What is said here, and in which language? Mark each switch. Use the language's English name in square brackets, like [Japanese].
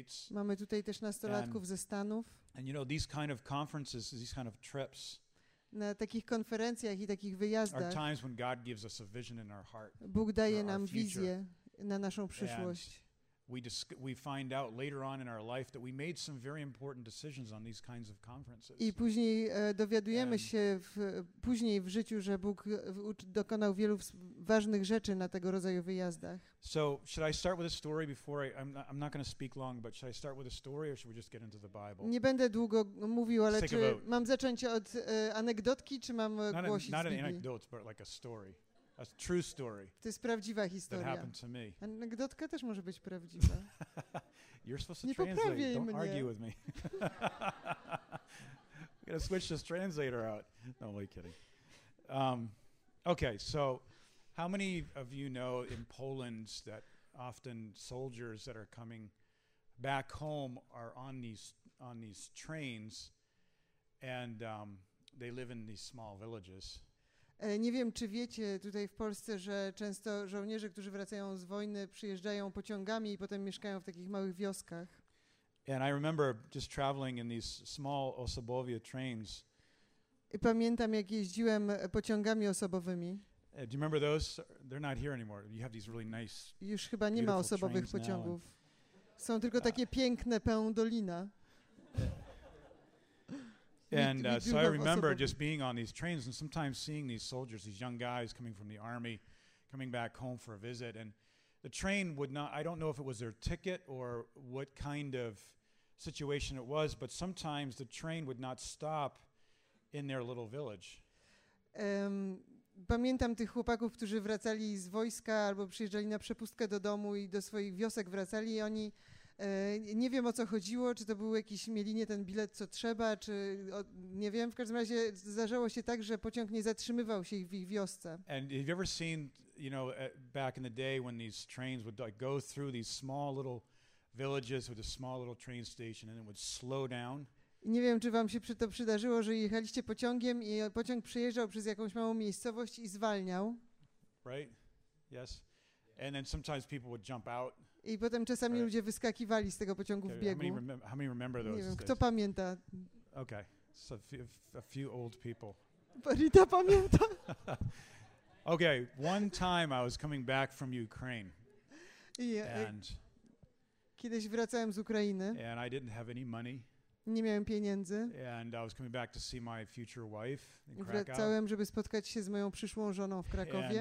[Polish] Mamy tutaj też nastolatków ze Stanów. [English] And you know, these kind of conferences, these kind of trips, [Polish] na takich konferencjach i takich wyjazdach [English] are times when God gives us a vision in our heart, [Polish] Bóg daje nam wizję na naszą przyszłość. [English] We find out later on in our life that we made some very important decisions on these kinds of conferences. [Polish] I później dowiadujemy się później w życiu, że Bóg dokonał wielu ważnych rzeczy na tego rodzaju wyjazdach. [English] So, should I start with a story before I'm not going to speak long, but should I start with a story or should we just get into the Bible? [Polish] Nie będę długo mówił, ale czy mam zacząć od anegdotki, czy mam głosić z Biblii? [English] Not an anecdote, but like a story. A true story. [Polish] To jest prawdziwa historia. [English] That happened to me. [Polish] Anegdotka też może być prawdziwa. [English] You're supposed to [Polish] nie [English] translate. [Polish] Poprawię [English] Don't [Polish] mnie. [English] Argue with me. We gotta switch this translator out. No, I'm kidding. Okay, so how many of you know in Poland that often soldiers that are coming back home are on these trains and they live in these small villages? [Polish] Nie wiem, czy wiecie tutaj w Polsce, że często żołnierze, którzy wracają z wojny, przyjeżdżają pociągami i potem mieszkają w takich małych wioskach. [English] And I remember just traveling in these small osobowie trains. [Polish] I pamiętam, jak jeździłem pociągami osobowymi. [English] Do you remember those? They're not here anymore. You have these really nice. [Polish] Już chyba nie ma osobowych pociągów. Są tylko takie piękne, pełne dolina. [English] And so I remember just being on these trains and sometimes seeing these soldiers, these young guys coming from the army, coming back home for a visit. And the train would not, I don't know if it was their ticket or what kind of situation it was, but sometimes the train would not stop in their little village. [Polish] Pamiętam tych chłopaków, którzy wracali z wojska albo przyjeżdżali na przepustkę do domu i do swoich wiosek wracali i oni... Nie wiem, o co chodziło, czy to był jakiś, mieli nie ten bilet, co trzeba, czy nie wiem. W każdym razie zdarzało się tak, że pociąg nie zatrzymywał się w ich wiosce. [English] And have you ever seen, you know, back in the day when these trains would like go through these small little villages with a small little train station and it would slow down? [Polish] Nie wiem, czy wam się to przydarzyło, że jechaliście pociągiem i pociąg przejeżdżał przez jakąś małą miejscowość i zwalniał. [English] Right? Yes. And then sometimes people would jump out. [Polish] I potem czasami ludzie wyskakiwali z tego pociągu w biegu. [English] How many remember those? [Polish] Nie wiem, kto pamięta. [English] Okay, so a few old people. [Polish] Rita pamięta. [English] Okay, one time I was coming back from Ukraine. [Polish] Kiedyś wracałem z Ukrainy. [English] And I didn't have any money. [Polish] Nie miałem pieniędzy. [English] And I was coming back to see my future wife in Krakow. [Polish] Wracałem, żeby spotkać się z moją przyszłą żoną w Krakowie.